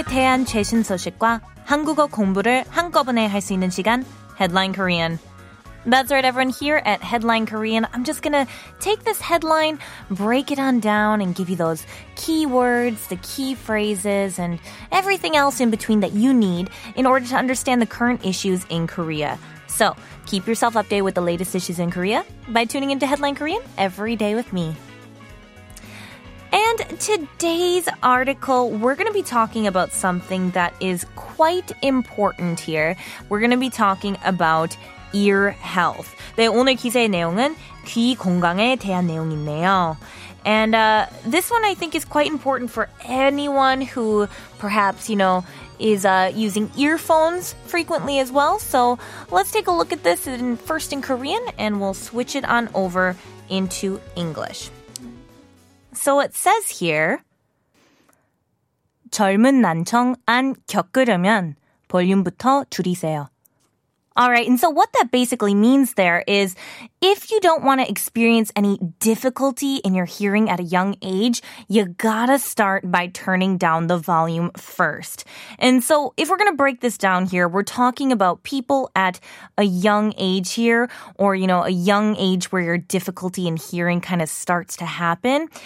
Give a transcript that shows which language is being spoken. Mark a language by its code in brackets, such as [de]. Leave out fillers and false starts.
[ko] Korean 최신 소식과 한국어 공부를 한꺼번에 할 수 있는 시간, Headline Korean. [en] That's right, everyone, here at Headline Korean. I'm just going to take this headline, break it on down, and give you those key words, the key phrases, and everything else in between that you need in order to understand the current issues in Korea. So, keep yourself updated with the latest issues in Korea by tuning into Headline Korean every day with me. And today's article, we're going to be talking about something that is quite important here. We're going to be talking about ear health. [ko] 네, 오늘 기사의 내용은 귀 건강에 대한 내용이네요. [en] And this one I think is quite important for anyone who perhaps, you know, is using earphones frequently as well. So let's take a look at this in, first in Korean, and we'll switch it on over into English. So it says here, [ko] 젊은 난청 안 겪으려면 볼륨부터 줄이세요. [en] All right, and so what that basically means there is if you don't want to experience any difficulty in your hearing at a young age, you gotta start by turning down the volume first. And so if we're gonna break this down here, we're talking about people at a young age here, or, you know, a young age where your difficulty in hearing kind of starts to happen.